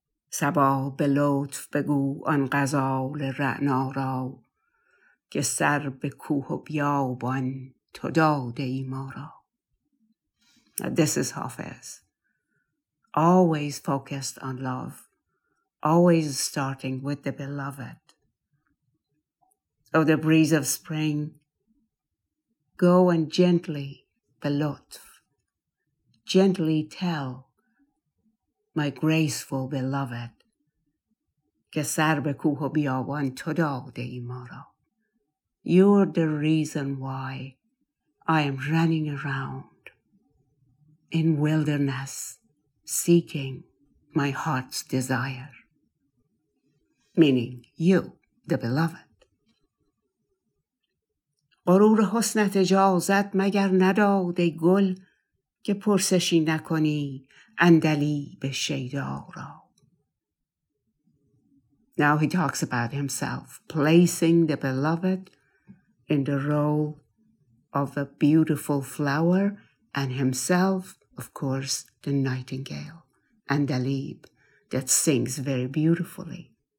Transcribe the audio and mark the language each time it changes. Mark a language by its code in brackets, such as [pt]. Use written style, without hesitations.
[fa] صبا به لطف بگو آن غزال رعنا را که سر به کوه و بیابان تو داده ای ما را. [en] This is Hafiz, always focused on love, always starting with the beloved. Oh, the breeze of spring, go and gently be lotf, gently tell my graceful beloved, [fa] که سر به کوه و بیابان تو داده ای ما را. [en] You're the reason why I am running around in wilderness seeking my heart's desire, meaning you, the beloved. [fa] غرور حسنت اجازت مگر نداد ای گل که پرسشی نکنی اندلیب شیدا را. [en] Now he talks about himself, placing the beloved in the role of a beautiful flower, and himself, of course, the nightingale, andalib, that sings very beautifully.